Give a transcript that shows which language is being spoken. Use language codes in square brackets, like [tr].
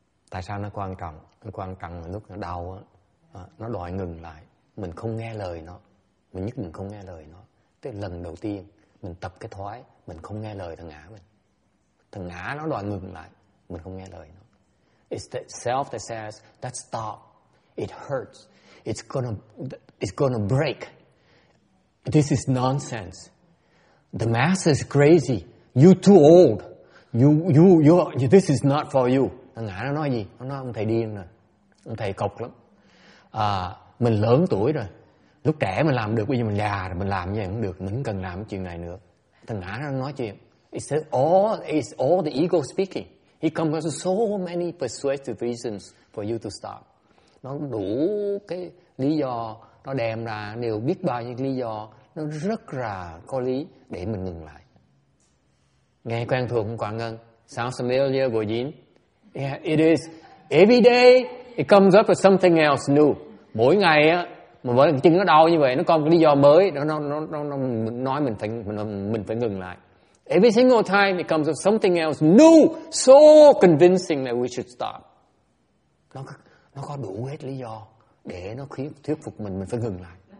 [vi] Tại sao nó quan trọng? Nó quan trọng là lúc nó đau á, nó đòi ngừng lại. Mình không nghe lời nó. Mình nhất định không nghe lời nó. Tới lần đầu tiên, mình tập cái thói, mình không nghe lời thằng ngã mình. Thằng ngã nó đòi ngừng lại, mình không nghe lời nó. [en] It's the self that says, that stop, it hurts, it's gonna break. This is nonsense. The mass is crazy, you're too old, you're, this is not for you. [vi] Thằng ngã nó nói gì? Nó nói ông thầy điên rồi, ông thầy cọc lắm. Mình lớn tuổi rồi, lúc trẻ mình làm được, bây giờ mình già rồi, mình làm như vậy cũng được, mình không cần làm cái chuyện này nữa. Thằng ngã nó nói chuyện. [en] It's all the ego speaking. He comes with so many persuasive reasons for you to stop. [vi] Nó đủ cái lý do, nó đem ra nhiều biết bao nhiêu lý do, nó rất là có lý để mình ngừng lại. Nghe quen thuộc không, Quảng Ngân? [en] Sounds familiar, Bồ Dín? Yeah, it is. Every day, it comes up with something else new. [vi] Mỗi ngày á, mà với chân nó đau như vậy, nó còn cái lý do mới, nó nói mình phải ngừng lại. [en] Every single time it comes up something else new, so convincing that we should stop. [vi] Nó có đủ hết lý do để nó thuyết phục mình phải ngừng lại.